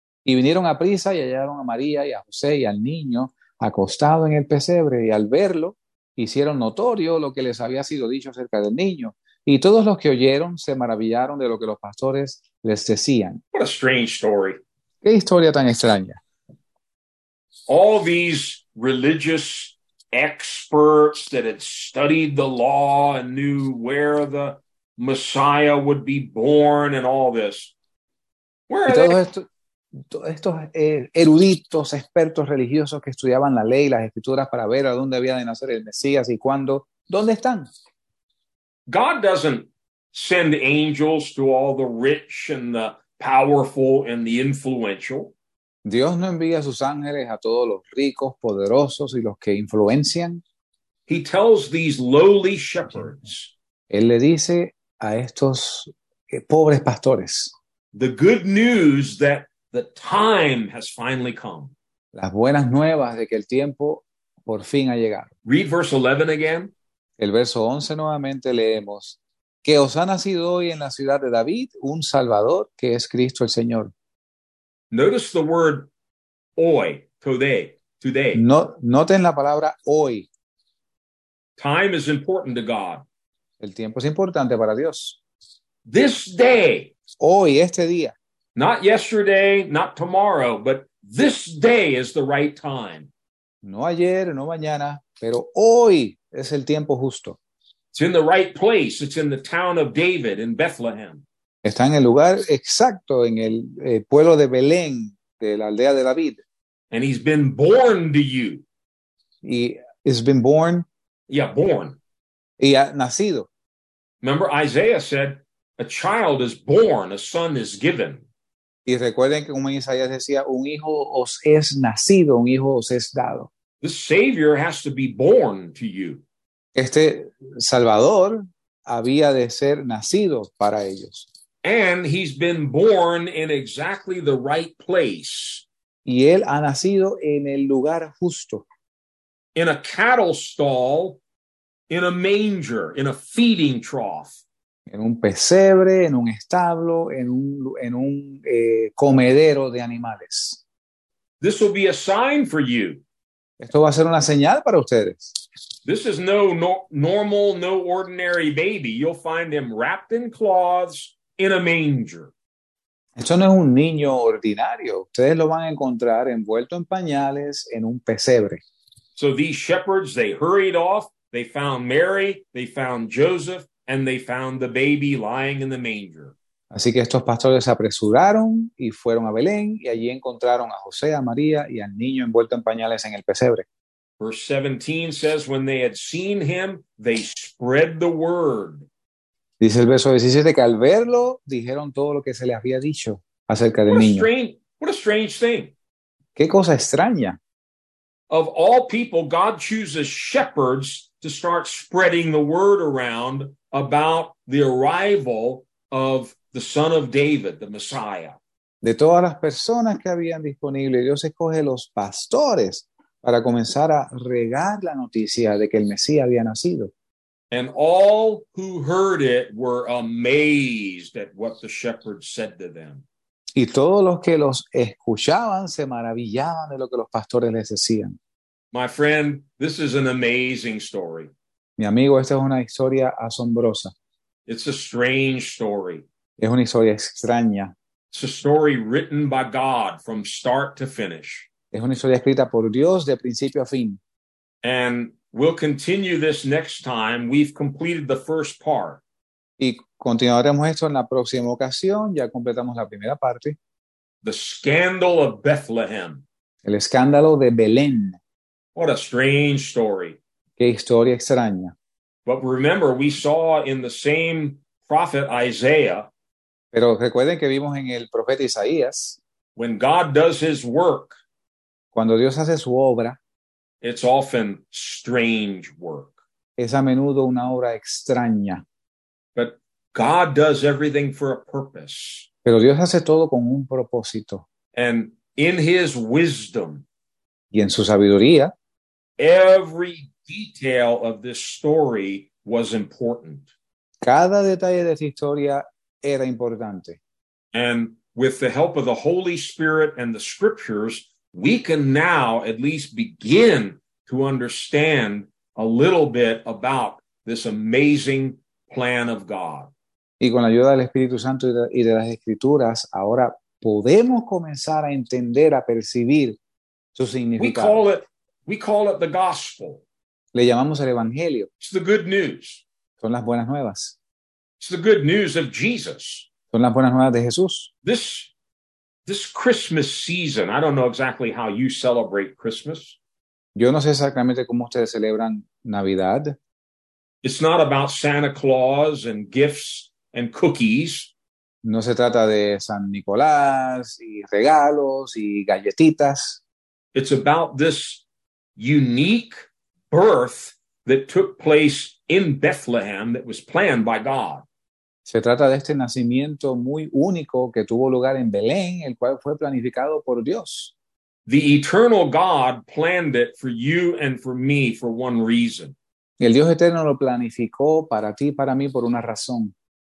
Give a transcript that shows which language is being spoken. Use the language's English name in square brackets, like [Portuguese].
[Spanish] Y vinieron a prisa y hallaron a María y a José y al niño acostado en el pesebre. Y al verlo, hicieron notorio lo que les había sido dicho acerca del niño. Y todos los que oyeron se maravillaron de lo que los pastores les decían. [English] What a strange story. [Spanish] ¿Qué historia tan extraña? [English] All these religious experts that had studied the law and knew where the Messiah would be born and all this. Where are they? [Spanish] Todos estos eruditos, expertos religiosos que estudiaban la ley y las escrituras para ver a dónde había de nacer el Mesías y cuándo, ¿dónde están? [English] God doesn't send angels to all the rich and the powerful and the influential. [Spanish] Dios no envía a sus ángeles a todos los ricos, poderosos y los que influencian. [English] He tells these lowly shepherds. [Spanish] Él le dice a estos pobres pastores. [English] The good news that the time has finally come. [Spanish] Las buenas nuevas de que el tiempo Por fin ha llegado. [English] Read verse 11 again. [Spanish] El verso 11 nuevamente leemos. Que os ha nacido hoy en la ciudad de David un Salvador, que es Cristo el Señor. [English] Notice the word hoy, today. [Spanish] Noten la palabra hoy. [English] Time is important to God. [Spanish] El tiempo es importante para Dios. [English] This day. [Spanish] Hoy, este día. [English] Not yesterday, not tomorrow, but this day is the right time. [Spanish] No ayer, no mañana, pero hoy es el tiempo justo. [English] It's in the right place. It's in the town of David in Bethlehem. [Spanish] Está en el lugar exacto, en el pueblo de Belén, de la aldea de David. [English] And he's been born to you. [Spanish] Y [English] has been born. Yeah, born. [Spanish] Y ha nacido. [English] Remember, Isaiah said, a child is born, a son is given. [Spanish] Y recuerden que como Isaías decía, un hijo os es nacido, un hijo os es dado. [English] The Savior has to be born to you. [Spanish] Este Salvador había de ser nacido para ellos. [English] And he's been born in exactly the right place. [Spanish] Y él ha nacido en el lugar justo. [English] In a cattle stall, in a manger, in a feeding trough. [Spanish] En un pesebre, en un establo, en un comedero de animales. [English] This will be a sign for you. [Spanish] Esto va a ser una señal para ustedes. [English] This is no normal, no ordinary baby. You'll find him wrapped in cloths in a manger. [Spanish] Esto no es un niño ordinario. Ustedes lo van a encontrar envuelto en pañales en un pesebre. [English] So these shepherds, they hurried off. They found Mary. They found Joseph. And they found the baby lying in the manger. [Spanish] Así que estos pastores se apresuraron y fueron a Belén y allí encontraron a José, a María y al niño envuelto en pañales en el pesebre. [English] Verse 17 says, when they had seen him, they spread the word. [Spanish] Dice el verso 17 que al verlo dijeron todo lo que se les había dicho acerca del niño. [English] What a strange thing. [Spanish] Qué cosa extraña. [English] Of all people, God chooses shepherds to start spreading the word around about the arrival of the Son of David, the Messiah. [Spanish] De todas las personas que habían disponible, Dios escoge los pastores para comenzar a regar la noticia de que el Mesías había nacido. [English] And all who heard it were amazed at what the shepherds said to them. [Spanish] Y todos los que los escuchaban se maravillaban de lo que los pastores les decían. [English] My friend, this is an amazing story. [Spanish] Mi amigo, esta es una historia asombrosa. [English] It's a strange story. [Spanish] Es una historia extraña. [English] It's a story written by God from start to finish. [Spanish] Es una historia escrita por Dios de principio a fin. [English] And we'll continue this next time. We've completed the first part. [Spanish] Y continuaremos esto en la próxima ocasión. Ya completamos la primera parte. [English] The scandal of Bethlehem. [Spanish] El escándalo de Belén. [English] What a strange story. [Spanish] Qué historia extraña. [English] But remember, we saw in the same prophet Isaiah. [Spanish] Pero recuerden que vimos en el profeta Isaías. [English] When God does his work. [Spanish] Cuando Dios hace su obra. [English] It's often strange work. [Spanish] Es a menudo una obra extraña. [English] But God does everything for a purpose. [Spanish] Pero Dios hace todo con un propósito. [English] And in his wisdom. [Spanish] Y en su sabiduría. [English] Every detail of this story was important. [Spanish] Cada detalle de esta historia era importante. [English] And with the help of the Holy Spirit and the scriptures, we can now at least begin to understand a little bit about this amazing plan of God. [Spanish] Y con la ayuda del Espíritu Santo y de las Escrituras, ahora podemos comenzar a entender, a percibir su significado. [English] We call it the gospel. [Spanish] Le llamamos el evangelio. [English] It's the good news. [Spanish] Son las buenas nuevas. [English] It's the good news of Jesus. [Spanish] Son las buenas nuevas de Jesús. [English] This Christmas season, I don't know exactly how you celebrate Christmas. [Spanish] Yo no sé exactamente cómo ustedes celebran Navidad. [English] It's not about Santa Claus and gifts and cookies. [Spanish] No se trata de San Nicolás y regalos y galletitas. [English] It's about this unique birth that took place in Bethlehem that was planned by God. [Spanish] Se trata de este nacimiento muy único que tuvo lugar en Belén, el cual fue planificado por Dios. [English] The eternal God planned it for you and for me for one reason. [Spanish] El Dios eterno lo planificó para ti y para mí por una razón.